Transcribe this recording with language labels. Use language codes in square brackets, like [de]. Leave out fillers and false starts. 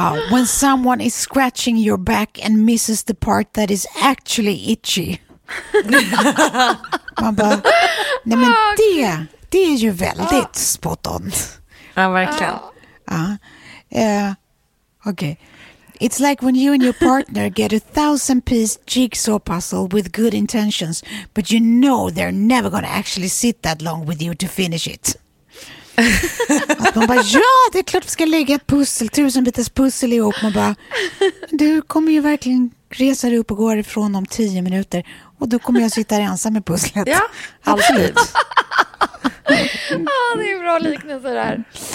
[en] When someone is scratching your back and misses the part that is actually itchy. [sv] Man bara, nej men det är ju väldigt spot on. Ja, verkligen. Okej. [en] It's like when you and your partner get a 1,000-piece jigsaw puzzle with good intentions, but you know they're never going to actually sit that long with you to finish it. [sv] Att man bara, ja, det är klart vi ska lägga ett pussel, 1,000-bitars pussel ihop. Man bara, du kommer ju verkligen resa dig upp och gå ifrån om 10 minuter. Och då kommer jag sitta här ensam med pusslet. Ja, absolut. Ja, det är bra liknelse där.